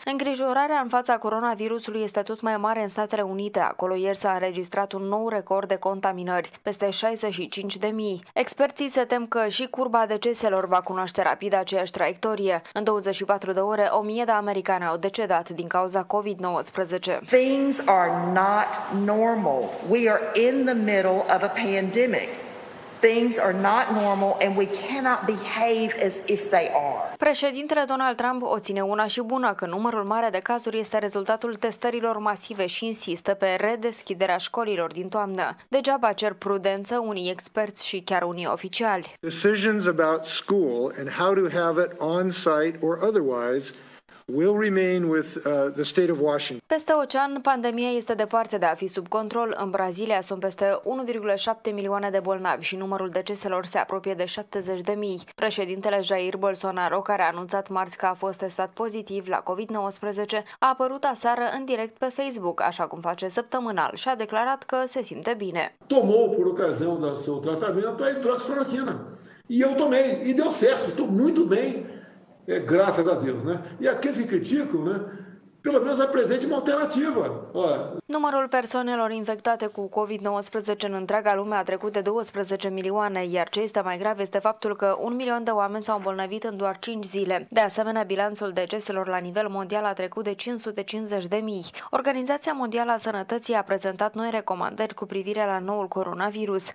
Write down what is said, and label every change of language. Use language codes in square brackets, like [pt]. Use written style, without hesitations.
[ro] Îngrijorarea în fața coronavirusului este tot mai mare în Statele Unite. Acolo ieri s-a înregistrat un nou record de contaminări, peste 65.000. Experții se tem că și curba deceselor va cunoaște rapid aceeași traiectorie. În 24 de ore, 1.000 de americani au decedat din cauza COVID-19. [en] Things are not normal. We are in the middle of a pandemic. Things are not normal and we cannot behave as if they are. [ro] Președintele Donald Trump o ține una și bună, că numărul mare de cazuri este rezultatul testărilor masive și insistă pe redeschiderea școlilor din toamnă. Degeaba cer prudență unii experți și chiar unii oficiali. [en] Decisions about school and how to have it on site or otherwise will remain with the state of Washington. [ro] Peste ocean, pandemia este departe de a fi sub control. În Brazilia sunt peste 1,7 milioane de bolnavi și numărul deceselor se apropie de 70.000. Președintele Jair Bolsonaro, care a anunțat marți că a fost testat pozitiv la COVID-19, a apărut aseară în direct pe Facebook, așa cum face săptămânal, și a declarat că se simte bine. [pt] Tomou por ocasião do seu tratamento a hidroxicloroquina. E eu tomei e deu certo, estou muito bem. É graças a Deus, né? E aqueles que criticam, né? pelo menos apresente uma alternativa. [ro] Numărul persoanelor infectate cu COVID-19 în întreaga lume a trecut de 12 milioane, iar ce este mai grav este faptul că 1 milion de oameni s-au îmbolnăvit în doar 5 zile. De asemenea, bilanțul deceselor la nivel mondial a trecut de 550.000. Organizația Mondială a Sănătății a prezentat noi recomandări cu privire la noul coronavirus.